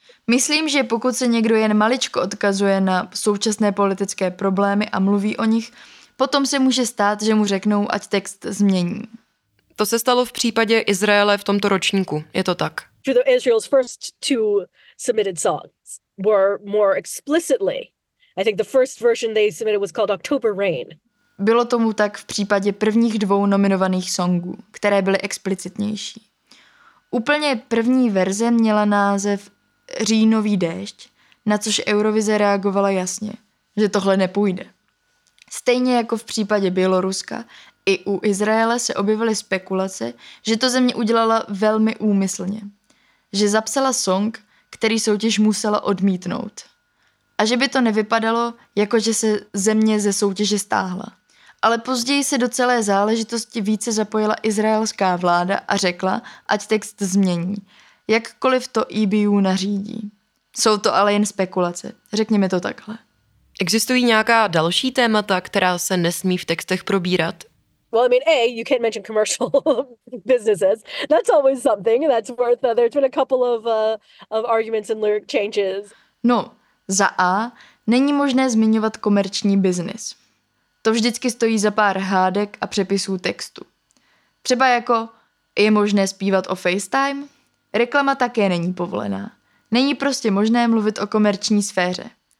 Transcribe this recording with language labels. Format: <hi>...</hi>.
<cs>Myslím, že pokud se někdo jen maličko odkazuje na současné politické problémy a mluví o nich, potom se může stát, že mu řeknou, ať text změní. To se stalo v případě Izraele v tomto ročníku, je to tak.</cs> <en>Israel's first two submitted songs were more explicitly. I think the first version they submitted was called October Rain.</en> <cs>Bylo tomu tak v případě prvních dvou nominovaných songů, které byly explicitnější. Úplně první verze měla název Říjnový déšť, na což Eurovize reagovala jasně, že tohle nepůjde. Stejně jako v případě Běloruska, i u Izraele se objevily spekulace, že to země udělala velmi úmyslně. Že zapsala song, který soutěž musela odmítnout. A že by to nevypadalo, jako že se země ze soutěže stáhla. Ale později se do celé záležitosti více zapojila izraelská vláda a řekla, ať text změní. Jakkoliv to EBU nařídí. Jsou to ale jen spekulace. Řekněme to takhle. Existují nějaká další témata, která se nesmí v textech probírat?</cs> <en>Well, I mean, A, you can't mention commercial businesses. That's always something. That's worth, there's been a couple of arguments and lyric changes.</en> <cs>No, za A, není možné zmiňovat komerční biznis. To vždycky stojí za pár hádek a přepisů textu. Třeba jako, je možné zpívat o FaceTime? Reklama také není povolená. Není prostě možné mluvit o komerční sféře.</cs>